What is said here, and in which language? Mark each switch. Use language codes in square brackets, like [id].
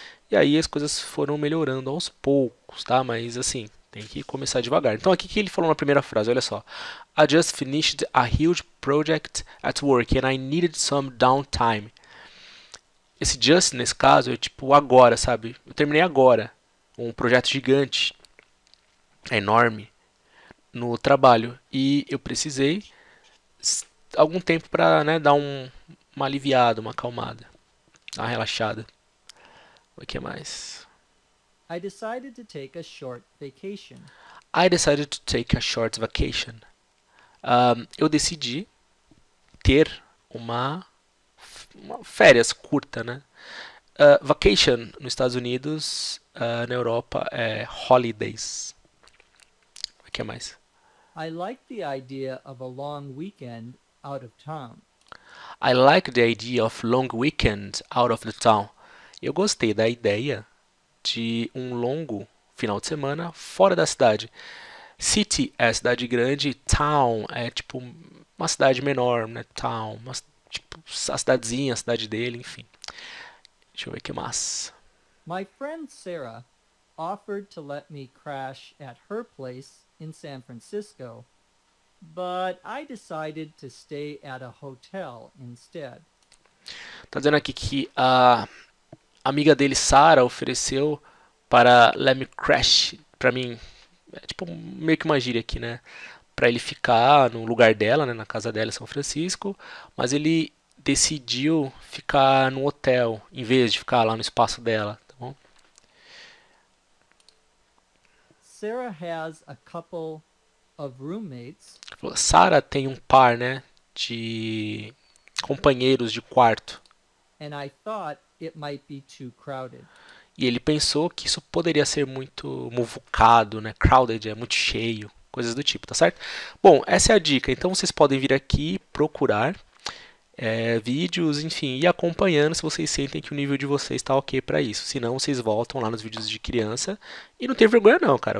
[pt] E aí as coisas foram melhorando aos poucos, tá? Mas assim, tem que começar devagar. Então aqui que ele falou na primeira frase, olha só. [en] I just finished a huge project at work and I needed some downtime. [pt] Esse just, nesse caso, é tipo agora, sabe? Eu terminei agora um projeto gigante, enorme. No trabalho e eu precisei algum tempo para, né, dar uma aliviada, uma acalmada, uma relaxada. O que mais? [en] I decided to take a short vacation. I decided to take a short vacation. [pt] Eu decidi ter uma férias curta, né? Vacation nos Estados Unidos, na Europa é holidays. O que mais? [en] I like the idea of a long weekend out of town. I like the idea of long weekend out of the town. [pt] Eu gostei da ideia de um longo final de semana fora da cidade. City é cidade grande, town é tipo uma cidade menor, né? Town, mas tipo a cidade dele, enfim. Deixa eu ver que mais. [en] My friend Sarah offered to let me crash at her place in San Francisco, but I decided to stay at a hotel instead. [pt] Tá dizendo aqui que a amiga dele, Sarah, ofereceu para [en] let me crash [pt] para mim. É tipo meio que uma gíria aqui, né? Para ele ficar no lugar dela, né? Na casa dela em São Francisco. Mas ele decidiu ficar no hotel em vez de ficar lá no espaço dela, tá bom? [en] Sarah has a couple of roommates. [pt] Sarah tem um par, né? De companheiros de quarto. [en] And I thought it might be too crowded. [pt] E ele pensou que isso poderia ser muito muvucado, né? Crowded, é muito cheio, coisas do tipo, tá certo? Bom, essa é a dica. Então vocês podem vir aqui procurar vídeos, enfim, e acompanhando se vocês sentem que o nível de vocês está ok para isso. Se não, vocês voltam lá nos vídeos de criança e não tem vergonha não, cara.